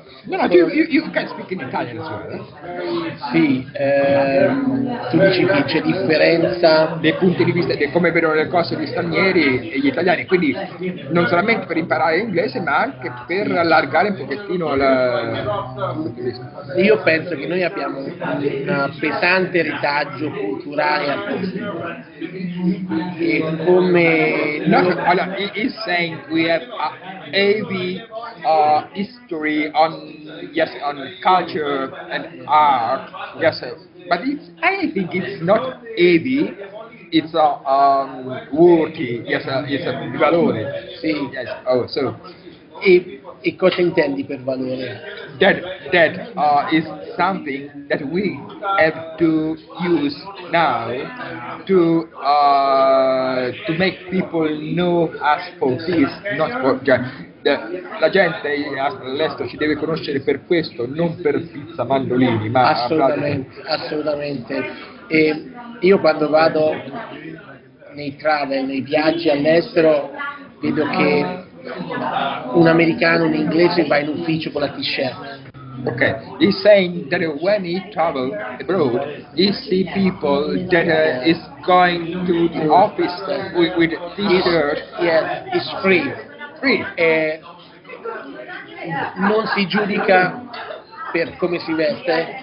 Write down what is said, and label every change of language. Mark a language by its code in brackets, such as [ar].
[en] No, you can speak in Italian as well. [it] Sì, tu dici che c'è differenza dei punti di vista, di come vedono le cose gli stranieri e gli italiani, quindi non solamente per imparare l'inglese, ma anche per allargare un pochettino la. Io penso che noi abbiamo un pesante ritaggio culturale a tutti. E come [en] he's saying we have a heavy history on culture and art, yes, but I think it's not heavy, it's a worthy, yes, it's a valore, yes. Oh, so [it] e cosa intendi per valore? [en] That is something that we have to use now to make people know us for this, not for just [it] la gente all'estero ci deve conoscere per questo, non per pizza mandolini, ma assolutamente. E io quando vado nei travel, nei viaggi all'estero, vedo che un americano, un inglese va in ufficio con la t-shirt. [en] Ok, he's saying that when he travel abroad, he see people that is going to the office with t-shirt. Yeah, it's free. Free. [it] Non si giudica per come si veste,